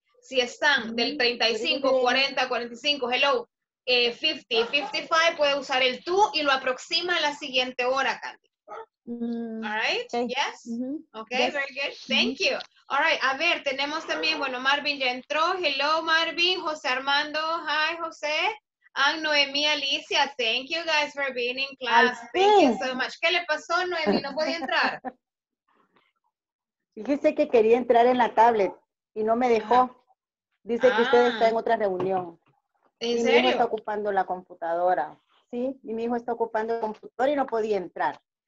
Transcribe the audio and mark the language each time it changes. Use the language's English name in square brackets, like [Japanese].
[Spanish] Si están del 35, 40, 45, hello, 50, 55, puede usar el tú y lo aproxima a la siguiente hora, Candy. [English] All right? Okay. Yes? Mm-hmm. Okay, yes. Very good. Thank mm-hmm. you. [Spanish] All right, a ver, tenemos también, bueno, Marvin ya entró. [English] Hello, Marvin. José Armando. Hi, José. Ah, Noemí, Alicia, thank you guys for being in class. [Spanish] Al fin. [English] Thank you so much. [Spanish] ¿Qué le pasó, Noemí? ¿No podía entrar? Fíjese que quería entrar en la tablet y no me dejó. Dice que usted está en otra reunión. ¿En y serio? Mi hijo está ocupando la computadora. Sí, y mi hijo está ocupando el computador y no podía entrar.